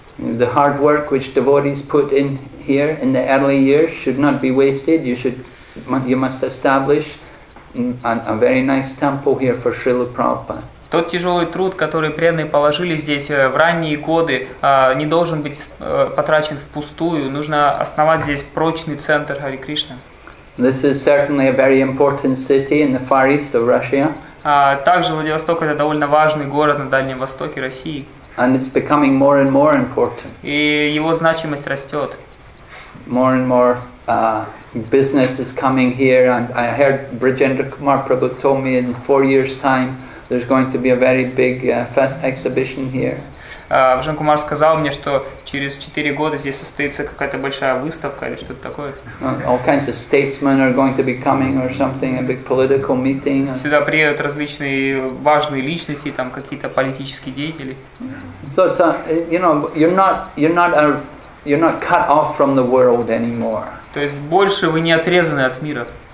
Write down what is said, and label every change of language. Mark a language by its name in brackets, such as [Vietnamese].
[English] The hard work which devotees put in here in the early years should not be wasted. You must establish a very nice temple here for Srila Prabhupada. [Russian] Тот тяжелый труд, который преданные положили здесь в ранние годы, не должен быть потрачен впустую. Нужно основать здесь прочный центр Хари Кришны. [English] This is certainly a very important city in the far east of Russia. [Russian] Также Владивосток это довольно важный город на Дальнем Востоке России. [English] And it's becoming more and more important. [Russian] И его значимость растет. [English] More and more business is coming here, and I heard Brijendra Kumar Prabhu told me in 4 years' time. There's going to be a very big fast exhibition here. [Russian] Жан Кумар сказал мне, что через 4 года здесь состоится какая-то большая выставка или что-то такое. [English] All kinds of statesmen are going to be coming or something, a big political meeting. [Russian] Сюда приедут различные важные личности, там какие-то политические деятели. [English] So it's you're not cut off from the world anymore. [Russian] То есть больше вы не отрезаны от мира.